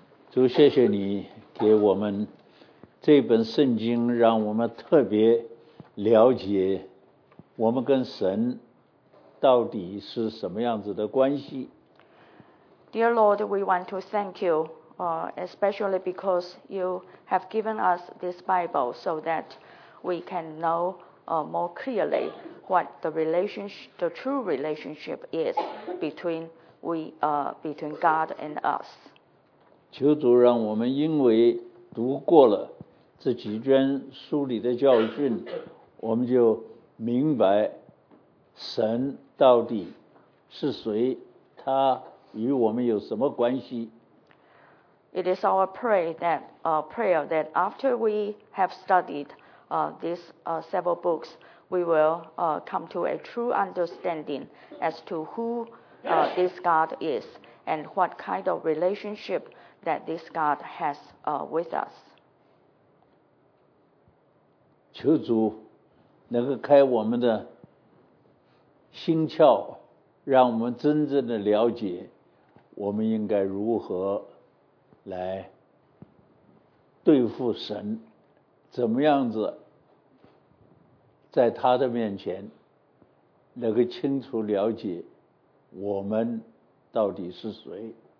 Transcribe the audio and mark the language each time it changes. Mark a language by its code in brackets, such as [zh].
[zh] 主，谢谢你给我们 这本圣经让我们特别了解我们跟神到底是什么样子的关系。 [en] Dear Lord, we want to thank you, especially because you have given us this Bible so that we can know more clearly what the true relationship is between between God and us. [zh] 求主让我们因为读过了 这几卷书里的教训，我们就明白神到底是谁？他与我们有什么关系？ [en] It is our prayer that after we have studied these several books, we will come to a true understanding as to who this God is and what kind of relationship that this God has with us. [zh] 求主能够开我们的心窍，让我们真正的了解我们应该如何来对付神，怎么样子在他的面前能够清楚了解我们到底是谁。